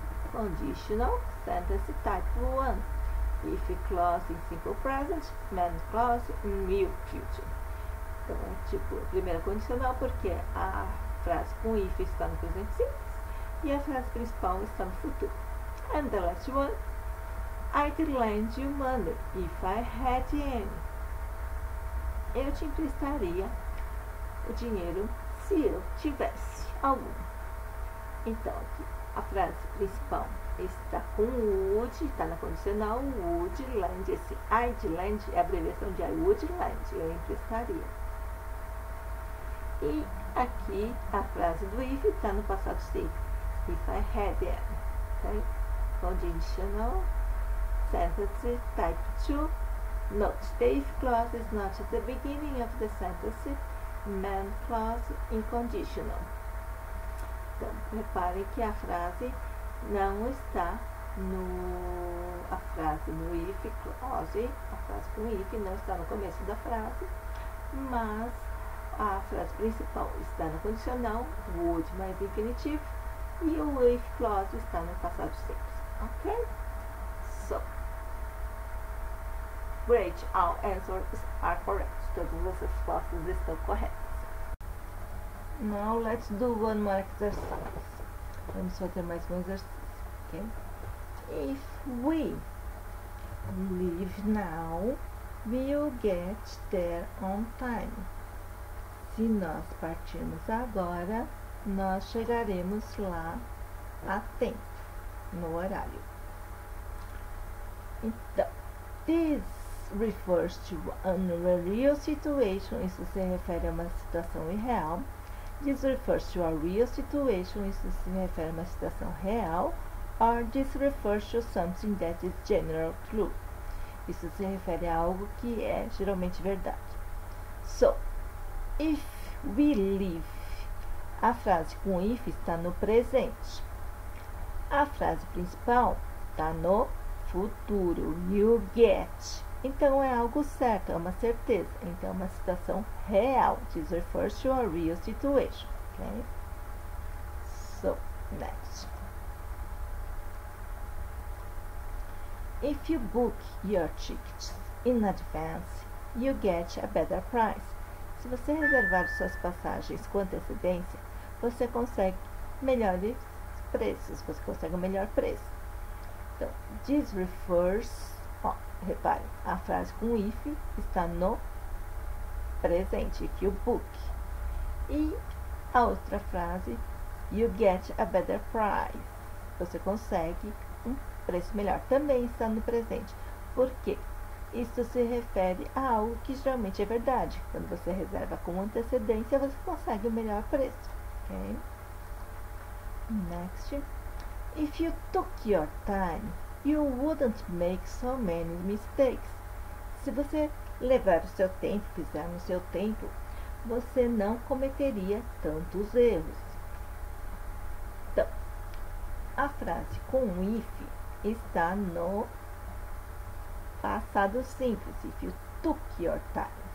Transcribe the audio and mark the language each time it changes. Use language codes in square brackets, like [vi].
[en] Conditional sentence type 1. If clause in simple present, main clause in will future. [pt] Então, é tipo, primeira condicional, porque a frase com if está no presente simples e a frase principal está no futuro. [en] And the last one. I'd lend you money if I had any. [pt] Eu te emprestaria o dinheiro se eu tivesse algum. Então, aqui, a frase principal está com would, está na condicional, would lend. Esse [en] I'd lend [pt] é a abreviação de [en] I would lend, [pt] eu emprestaria. E aqui a frase do if está no passado simples. [en] If I had it. Okay? Conditional sentence type 2. Note, the if clause is not at the beginning of the sentence. Main clause in conditional. [pt] Então, reparem que a frase não está no. A frase no if clause, a frase com if não está no começo da frase, mas a frase principal está na condicional, would mais infinitivo, e o if clause está no passado simples. Ok? [en] So, great, all answers are correct. [pt] Todas as respostas estão corretas. [en] Now, let's do one more exercise. [pt] Vamos fazer mais um exercício. Okay. [en] If we leave now, we'll get there on time. [pt] Se nós partirmos agora, nós chegaremos lá a tempo, no horário. Então, [en] this refers to an unreal situation, [pt] isso se refere a uma situação irreal. [en] This refers to a real situation, [pt] isso se refere a uma situação real. [en] Or this refers to something that is general true. [pt] Isso se refere a algo que é geralmente verdade. [en] So, if we live, [pt] a frase com if está no presente. A frase principal está no futuro. [en] You get. [pt] Então é algo certo, é uma certeza. Então é uma situação real. [en] This refers to a real situation. Okay? So, next. If you book your tickets in advance, you get a better price. [pt] Se você reservar suas passagens com antecedência, você consegue melhores preços. Você consegue o um melhor preço. Então, [en] this refers. [pt] Ó, repare, a frase com if está no presente, [en] if you book. [pt] E a outra frase, [en] you get a better price. [pt] Você consegue um preço melhor. Também está no presente. Por quê? Isso se refere a algo que geralmente é verdade. Quando você reserva com antecedência, você consegue o melhor preço. [en] Okay? Next. If you took your time, you wouldn't make so many mistakes. [pt] Se você levar o seu tempo, fizer no seu tempo, você não cometeria tantos erros. A frase com if está no passado simples, [en] if you took your time.